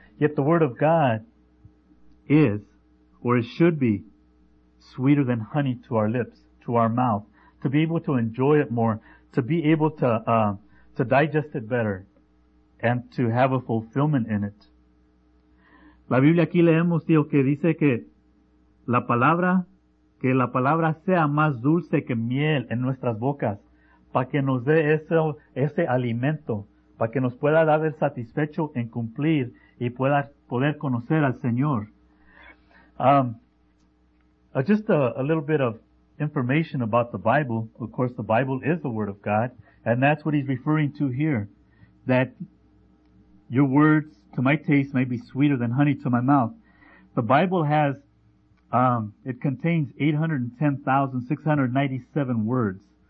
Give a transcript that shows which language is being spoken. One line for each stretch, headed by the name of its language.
English: Yet the word of God is, or it should be, sweeter than honey to our lips, to our mouth, to be able to enjoy it more, to be able to digest it better, and to have a fulfillment in it.
Spanish: La Biblia aquí leemos, tío, que dice que la palabra sea más dulce que miel en nuestras bocas. Para que nos dé ese alimento, para que nos pueda dar el satisfecho en cumplir y pueda poder conocer al Señor.
English: Just a little bit of information about the Bible. Of course, the Bible is the Word of God, and that's what he's referring to here. That your words to my taste may be sweeter than honey to my mouth. The Bible has, it contains 810,697 words.